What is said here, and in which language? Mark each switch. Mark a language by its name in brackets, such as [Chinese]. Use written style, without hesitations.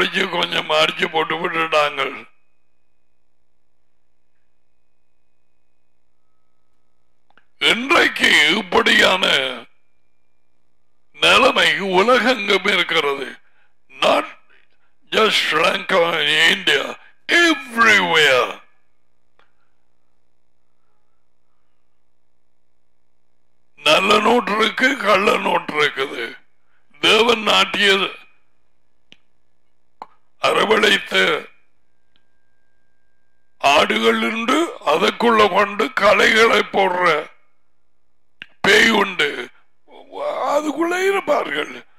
[Tamil] ഒളിച്ച് കൊഞ്ഞ മാരിച്ച് പൊട്ടുപിട്ടിട്ടാങ്ങൾ. இன்றைக்கு இப்படியான நிலைமை உலகெங்கும் இருக்கிறது. [English] Not just Sri Lanka and India, everywhere. [Tamil] நல்ல நோட்டு இருக்கு, கள்ள நோட்டு இருக்குது. தேவன் நாட்டிய அரவழைத்த ஆடுகள் உண்டு, அதுக்குள்ள கொண்டு களைகளை போடுற பேய் உண்டு, அதுக்குள்ள இருப்பார்கள்.